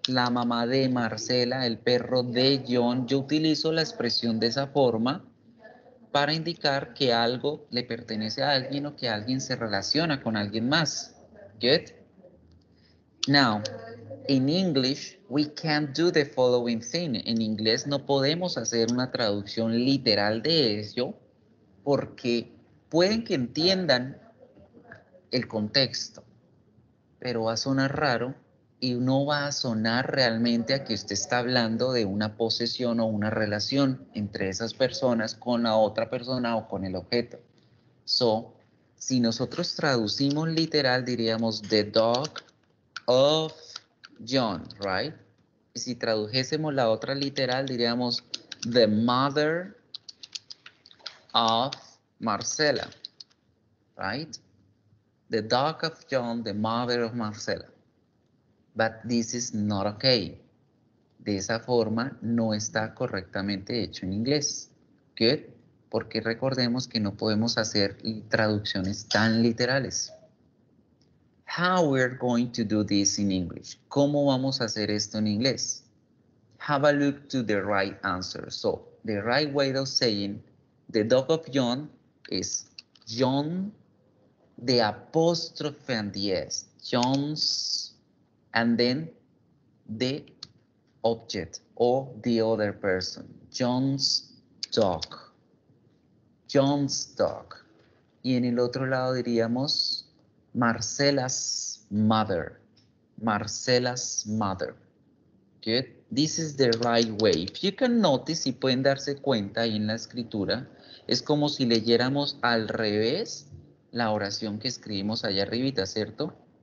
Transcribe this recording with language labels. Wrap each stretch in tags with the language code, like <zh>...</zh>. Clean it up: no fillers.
<es>La mamá de Marcela, el perro de John. Yo utilizo la expresión de esa forma para indicar que algo le pertenece a alguien o que alguien se relaciona con alguien más.</es> <en>Good? Now, in English, we can't do the following thing.</en> <es>En inglés no podemos hacer una traducción literal de ello porque pueden que entiendan el contexto, pero va a sonar raro y no va a sonar realmente a que usted está hablando de una posesión o una relación entre esas personas con la otra persona o con el objeto. So, si nosotros traducimos literal, diríamos</es> <en>the dog of John, right?</en> <es>Y si tradujésemos la otra literal, diríamos</es> <en>the mother of Marcela, right? The dog of John, the mother of Marcela. But this is not okay.</en> <es>De esa forma no está correctamente hecho en inglés. Good. Porque recordemos que no podemos hacer traducciones tan literales.</es> <en>How we're going to do this in English?</en> <es>¿Cómo vamos a hacer esto en inglés?</es> <en>Have a look to the right answer. So, the right way of saying the dog of John is John, the apostrophe and the S, John's, and then the object or the other person, John's dog. John's dog.</en> <es>Y en el otro lado diríamos</es> <en>Marcela's mother. Marcela's mother. Good. This is the right way. If you can notice,</en> <es>si pueden darse cuenta ahí en la escritura, es como si leyéramos al revés la oración que escribimos allá arribita, ¿cierto?</es>